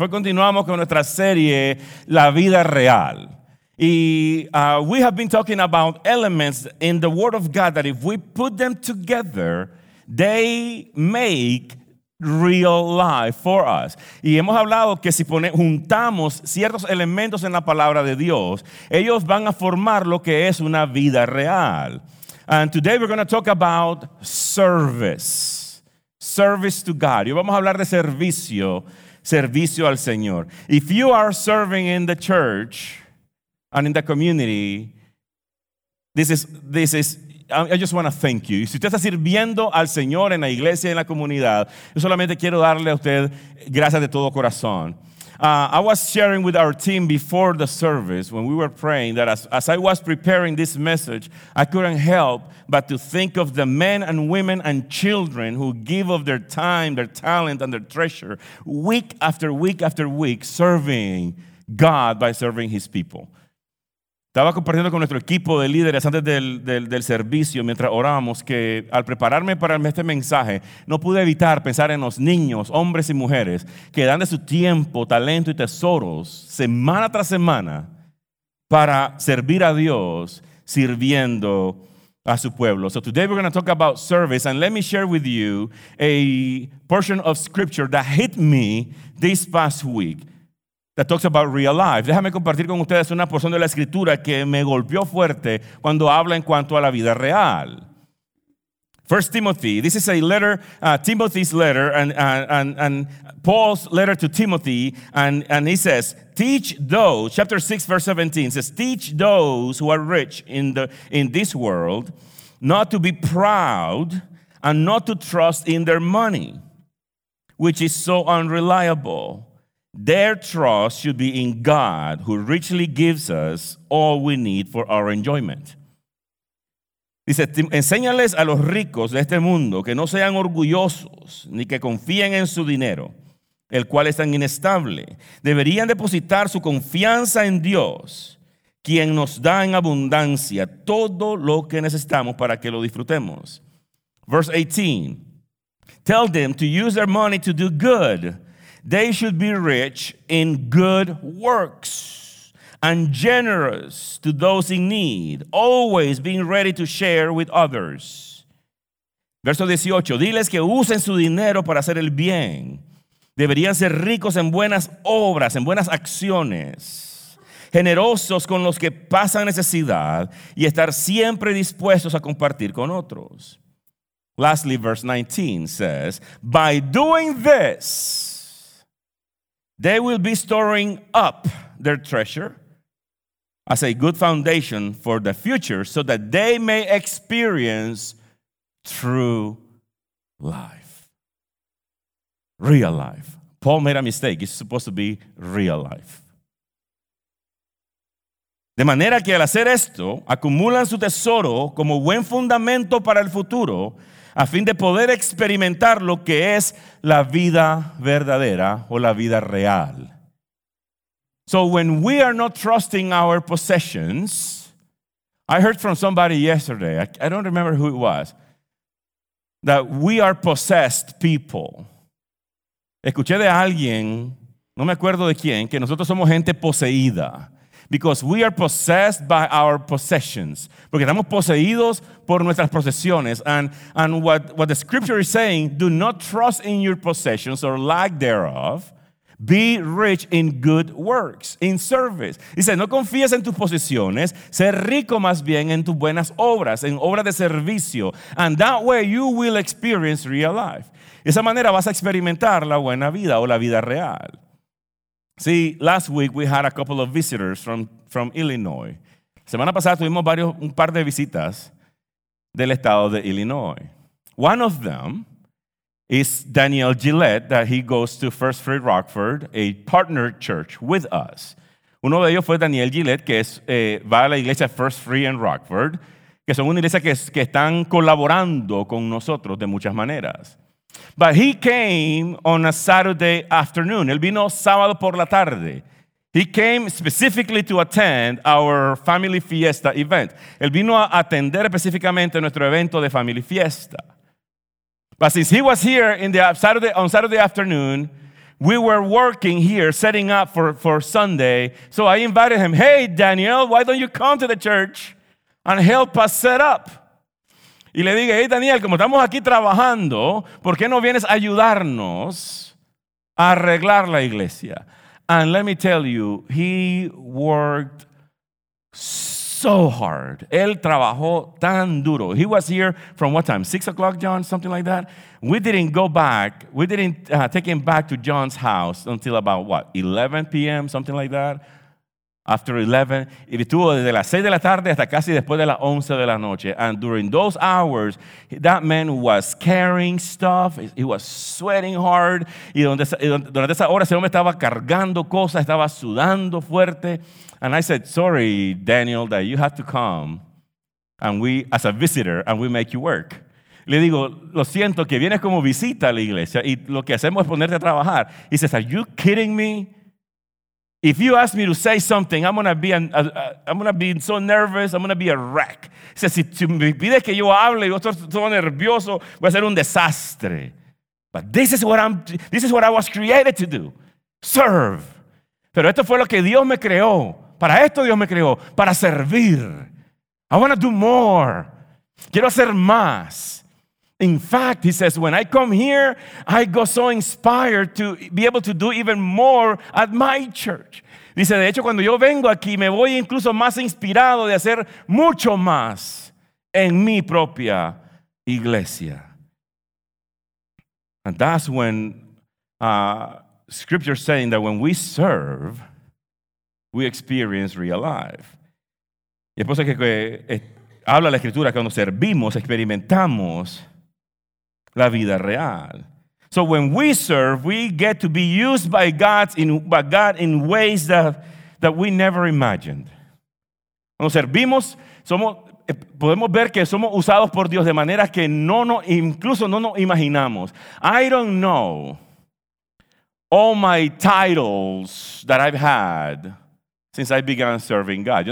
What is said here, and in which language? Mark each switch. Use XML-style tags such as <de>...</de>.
<es>Hoy continuamos con nuestra serie La Vida Real.</es> <en>Y we have been talking about elements in the Word of God that if we put them together, they make real life for us.</en> <es>Y hemos hablado que si juntamos ciertos elementos en la palabra de Dios, ellos van a formar lo que es una vida real.</es> <en>And today we're going to talk about service. Service to God.</en> <es>Y vamos a hablar de servicio, servicio al Señor.</es> <en>If you are serving in the church and in the community, this is. I just want to thank you.</en> <es>Si usted está sirviendo al Señor en la iglesia y en la comunidad, yo solamente quiero darle a usted gracias de todo corazón.</es> <en>I was sharing with our team before the service when we were praying that as I was preparing this message, I couldn't help but to think of the men and women and children who give of their time, their talent, and their treasure week after week after week serving God by serving His people.</en> <es>Estaba compartiendo con nuestro equipo de líderes antes del servicio, mientras orábamos, que al prepararme para este mensaje, no pude evitar pensar en los niños, hombres y mujeres, que dan de su tiempo, talento y tesoros, semana tras semana, para servir a Dios, sirviendo a su pueblo.</es> <en>So today we're going to talk about service, and let me share with you a portion of scripture that hit me this past week. That talks about real life.</en> <es>Déjame compartir con ustedes una porción de la escritura que me golpeó fuerte cuando habla en cuanto a la vida real.</es> <en>1 Timothy, this is a letter, Timothy's letter, and Paul's letter to Timothy, and he says, teach those, chapter 6, verse 17, says, teach those who are rich in this world not to be proud and not to trust in their money, which is so unreliable. Their trust should be in God, who richly gives us all we need for our enjoyment.</en> <es>Dice, enséñales a los ricos de este mundo que no sean orgullosos ni que confíen en su dinero, el cual es tan inestable. Deberían depositar su confianza en Dios, quien nos da en abundancia todo lo que necesitamos para que lo disfrutemos.</es> <en>Verse 18, tell them to use their money to do good. They should be rich in good works and generous to those in need, always being ready to share with others.</en> <es>Verso 18, diles que usen su dinero para hacer el bien. Deberían ser ricos en buenas obras, en buenas acciones, generosos con los que pasan necesidad y estar siempre dispuestos a compartir con otros.</es> <en>Lastly, verse 19 says, by doing this, they will be storing up their treasure as a good foundation for the future so that they may experience true life. Real life. Paul made a mistake. It's supposed to be real life.</en> <es>De manera que al hacer esto, acumulan su tesoro como buen fundamento para el futuro a fin de poder experimentar lo que es la vida verdadera o la vida real.</es> <en>So when we are not trusting our possessions, I heard from somebody yesterday, I don't remember who it was, that we are possessed people.</en> <es>Escuché de alguien, no me acuerdo de quién, que nosotros somos gente poseída.</es> <en>Because we are possessed by our possessions.</en> <es>Porque estamos poseídos por nuestras posesiones.</es> <en>And what the scripture is saying, do not trust in your possessions or lack thereof. Be rich in good works, in service.</en> <es>Dice, no confíes en tus posesiones. Sé rico más bien en tus buenas obras, en obras de servicio.</es> <en>And that way you will experience real life.</en> <es>De esa manera vas a experimentar la buena vida o la vida real.</es> <en>See, last week we had a couple of visitors from Illinois.</en> <es>Semana pasada tuvimos un par de visitas del estado de Illinois.</es> <en>One of them is Daniel Gillette, that he goes to First Free Rockford, a partner church with us.</en> <es>Uno de ellos fue Daniel Gillette, que es, va a la iglesia First Free en Rockford, que son una iglesia que están colaborando con nosotros de muchas maneras.</es> <en>But he came on a Saturday afternoon.</en> <es>Él vino sábado por la tarde.</es> <en>He came specifically to attend our family fiesta event.</en> <es>Él vino a atender específicamente nuestro evento de family fiesta.</es> <en>But since he was here on Saturday afternoon, we were working here, setting up for Sunday. So I invited him, hey, Daniel, why don't you come to the church and help us set up?</en> <es>Y le dije, hey, Daniel, como estamos aquí trabajando, ¿por qué no vienes a ayudarnos a arreglar la iglesia?</es> <en>And let me tell you, he worked so hard.</en> <es>Él trabajó tan duro.</es> <en>He was here from what time? 6 o'clock, John? Something like that? We didn't go back. We didn't take him back to John's house until about, what, 11 p.m., something like that? After 11,</en> <es>y estuvo desde las 6 de la tarde hasta casi después de las 11 de la noche.</es> <en>And during those hours, that man was carrying stuff. He was sweating hard.</en> <es>Y durante esa hora, ese hombre estaba cargando cosas, estaba sudando fuerte.</es> <en>And I said, sorry, Daniel, that you have to come and we, as a visitor, and we make you work.</en> <es>Le digo, lo siento que vienes como visita a la iglesia y lo que hacemos es ponerte a trabajar.</es> <en>He says, are you kidding me? If you ask me to say something, I'm gonna be so nervous. I'm gonna be a wreck.</en> <es>O sea, si me pides que yo hable, yo estoy todo nervioso, voy a ser un desastre.</es> <en>But this is what I was created to do, serve.</en> <es>Pero esto fue lo que Dios me creó. Para esto Dios me creó, para servir.</es> <en>I wanna do more.</en> <es>Quiero hacer más.</es> <en>In fact, he says, when I come here, I go so inspired to be able to do even more at my church.</en> <es>Dice, de hecho, cuando yo vengo aquí, me voy incluso más inspirado de hacer mucho más en mi propia iglesia.</es> <en>And that's when scripture is saying that when we serve, we experience real life.</en> <es>Y después habla la escritura, cuando servimos, experimentamos la vida real.</es> <en>So when we serve, we get to be used by God in ways that we never imagined.</en> <es>Cuando servimos, podemos ver que somos usados por Dios de maneras que incluso no nos imaginamos.</es> <en>I don't know all my titles that I've had since I began serving God.</en>